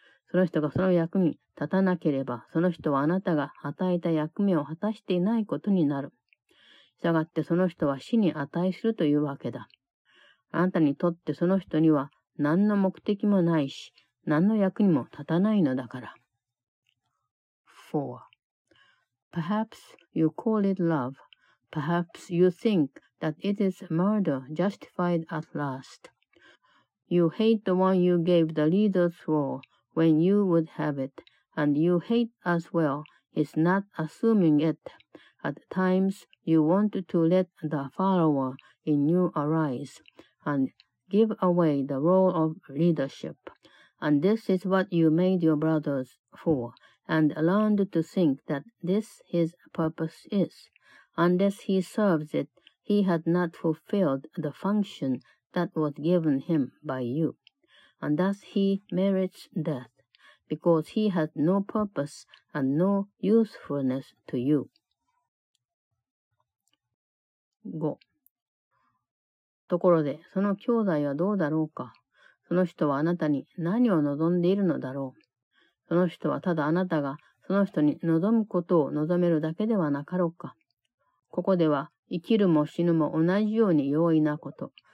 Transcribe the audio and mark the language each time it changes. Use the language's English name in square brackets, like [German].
[Japanese] その人がその役に立たなければ、その人はあなたが与えた役目を果たしていないことになる。したがってその人は死に値するというわけだ。あなたにとってその人には何の目的もないし、何の役にも立たないのだから。 4. [English] Perhaps you call it love. Perhaps you think that it is murder justified at last. You hate the one you gave the leader's role when you would have it, and you hate as well his not assuming it. At times you want to let the follower in you arise and give away the role of leadership. And this is what you made your brothers for, and learned to think that this his purpose is. Unless he serves it, he had not fulfilled the function that was given him by you. And thus he merits death, because he had no purpose and no usefulness to you. 5. [Japanese] ところで、その兄弟はどうだろうか？その人はあなたに何を望んでいるのだろう？その人はただあなたがその人に望むことを望めるだけではなかろうか？ここでは、生きるも死ぬも同じように容易なこと。